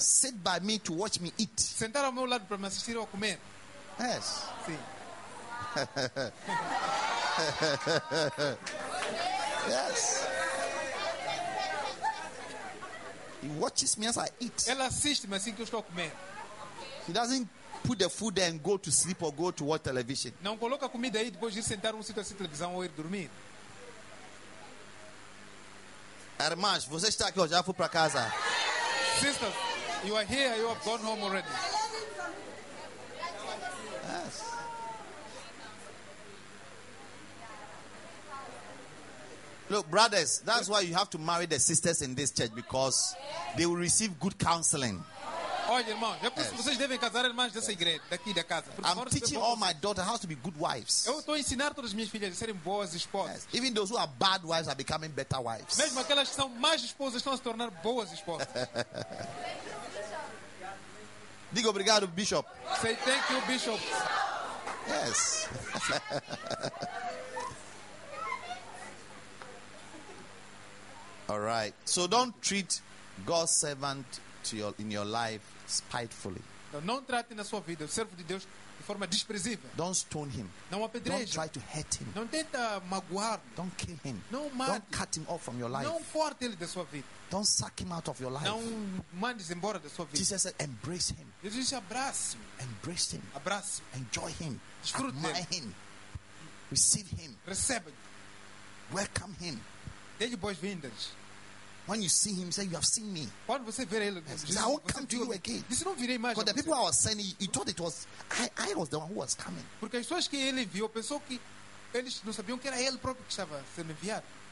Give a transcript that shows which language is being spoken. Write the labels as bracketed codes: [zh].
[en] Sit by me to watch me eat. [pt] Sentar ao meu lado para me assistir a comer. [en] Yes. [pt] Sim. [en] Yes. He watches me as I eat. [pt] Ela assiste-me assim que eu estou a comer. [en] He doesn't put the food there and go to sleep or go to watch television. [pt] Não coloca comida aí depois de sentar um sítio assim televisão ou ir dormir. Irmãs, você está aqui ou já foi para casa? [en] Sisters, you are here, you have gone home already. Yes. Look, brothers, that's why you have to marry the sisters in this church because they will receive good counseling. [pt] Olha, irmão, vocês devem casar irmãs dessa igreja, daqui da casa. [en] I'm teaching all my daughters how to be good wives. [pt] Eu estou a ensinar todas as minhas filhas a serem boas esposas. [en] Yes. Even those who are bad wives are becoming better wives. [pt] Mesmo aquelas que são más esposas estão a se tornar boas esposas. Diga obrigado, Bishop. [en] Say thank you, Bishop. Yes. All right. So don't treat God's servant in your life spitefully. [pt] Não trate na sua vida o servo de Deus de forma desprezível. [en] Don't stone him. [pt] Não apedreje. [en] Don't try to hurt him. [pt] Não tenta magoar. [en] Don't kill him. [pt] Não mate. [en] Don't cut him off from your life. [pt] Não corte ele da sua vida. [en] Don't suck him out of your life. [pt] Não mande embora da sua vida. [en] Jesus said, embrace him. [pt] Jesus disse, abrace-o. [en] Embrace him. [pt] Abrace-o. [en] Enjoy him. [pt] Desfrute dele. [en] Admire him. Receive him. [pt] Receba. [en] Welcome him. [pt] Dê-lhe boas-vindas. [en] When you see him, you say, you have seen me. [pt] Quando você ver ele, [en] yes. Jesus, I won't come to you again. [pt] Disse, não virei mais. [en] Because the people I was sending, he thought it was, I was the one who was coming. [pt] Porque as pessoas que ele viu, pensou que eles não sabiam que era ele próprio que estava sendo enviado.